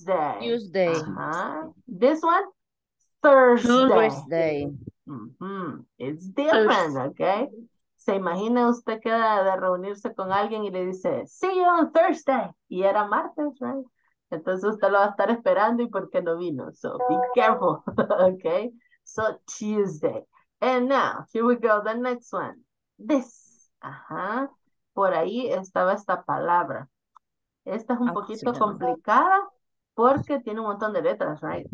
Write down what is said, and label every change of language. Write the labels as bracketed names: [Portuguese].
[English] Uh-huh. This one? Thursday. Mm-hmm. It's different, Thursday. Okay? [Spanish] Se imagina usted queda de reunirse con alguien y le dice, [English] see you on Thursday. [Spanish] Y era martes, [English] right? [Spanish] Entonces usted lo va a estar esperando y por qué no vino. [English] So be careful, okay? So Tuesday. And now, here we go, the next one. [Spanish] This. Uh-huh. Por ahí estaba esta palabra. Esta es un poquito complicada porque tiene un montón de letras, [English] right?